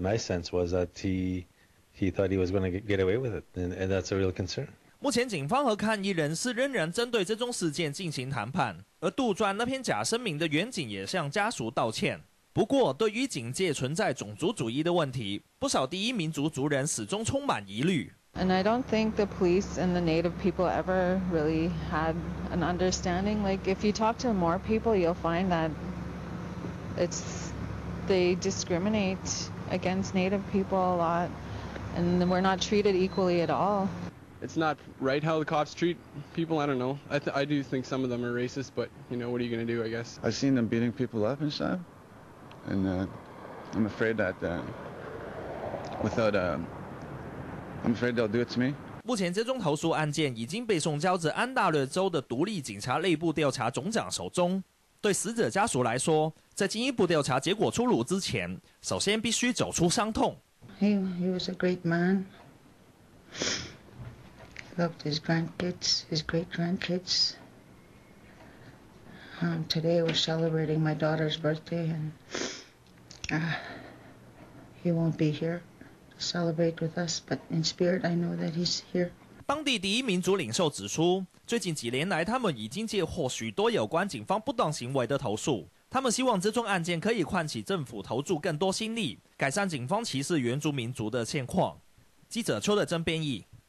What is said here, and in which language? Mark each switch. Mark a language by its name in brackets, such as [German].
[English] My sense was that he thought he was going to get away with it, and that's a real concern. [Chinese] 目前警方和抗议人士仍然针对这宗事件进行谈判，而杜撰那篇假声明的原警也向家属道歉。不过，对于警界存在种族主义的问题，不少第一民族族人始终充满疑虑。 [English] And I don't think the police and the native people ever really had an understanding. Like, if you talk to more people, you'll find that they discriminate against native people a lot, and we're not treated equally at all. It's not right how the cops treat people. I don't know. I do think some of them are racist, but you know, what are you going to do? I guess. I've seen them beating people up and stuff. And I'm afraid that I'm afraid they'll do it to me. [Chinese] 目前这宗投诉案件已经被送交至安大略州的独立警察内部调查总长手中。对死者家属来说，在进一步调查结果出炉之前，首先必须走出伤痛。 [English] He was a great man. Loved his grandkids, his great grandkids. Today we're celebrating my daughter's birthday and. He won't be here to celebrate with us, but in spirit, I know that he's here. [Chinese] 当地第一民族领袖指出，最近几年来，他们已经接获许多有关警方不当行为的投诉。他们希望这宗案件可以唤起政府投注更多心力，改善警方歧视原住民族的现况。记者邱德珍编译。